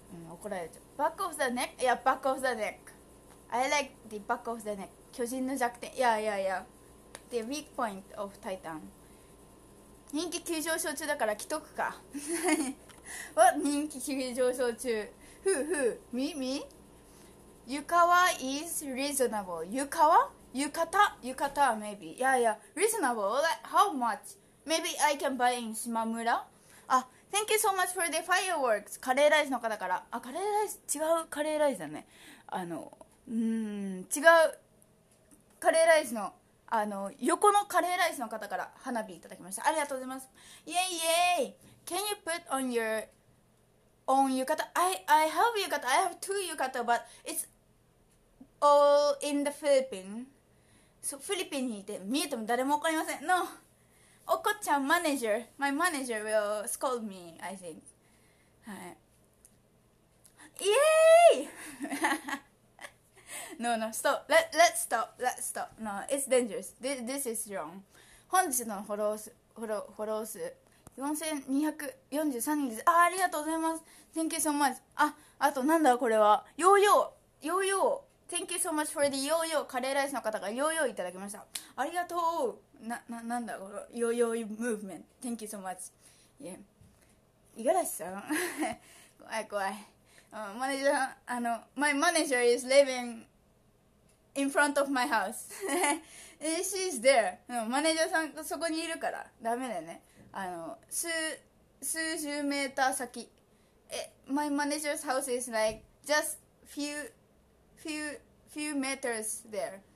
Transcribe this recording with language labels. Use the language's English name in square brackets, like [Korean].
[Japanese] 怒られちゃう。 [English] Back of the neck? Yeah, back of the neck. I like the back of the neck. [Japanese] 巨人の弱点、いやいやいや、 [English] The weak point of Titan。 [Japanese] 人気急上昇中だから着とくか。わ、人気急上昇中、ふうふう、みみ、床は [English] is reasonable。 [Japanese] 床は浴衣は [English] maybe、 いやいや、 reasonable、 like, how much、 maybe I can buy in 島村。あ、Thank you so much for the fireworks。 [Japanese] カレーライスの方から。あ、カレーライス、違うカレーライスだね。あの、違うカレーライスの、あの、横のカレーライスの方から花火いただきました。ありがとうございます。 [English] イェイイェイ。Can you put on your own 浴衣? I have 浴衣。 I have two 浴衣, but it's all in the Philippines. [Japanese] So, フィリピンにいて見えても誰も怒りません。 [English] No! [Japanese] おこちゃんマネージャー、 [English] my manager will scold me I think。 [Japanese] はい、イエーイ。 [English] No no stop、 let's stop、 let's stop、 no it's dangerous、 this is wrong。 [Japanese] 本日のフォロー数4243人です。あ、ありがとうございます。 [English] Thank you so much。 [Japanese] あとなんだこれは、ヨーヨー、ヨーヨー、 [English] Thank you so much for the [Japanese] ヨーヨー。カレーライスの方がヨーヨーいただきました。ありがとう。なんだこのヨーヨームーブメント。 [English] Thank you so much。 [Japanese] いがらしさん。怖い怖い。マネージャー、あの、 [English] my manager is living in front of my house. She's there。 [Japanese] マネージャーさんがそこにいるから。ダメだよね。あの、数十メーター先。 [English] my manager's house is like just few meters there.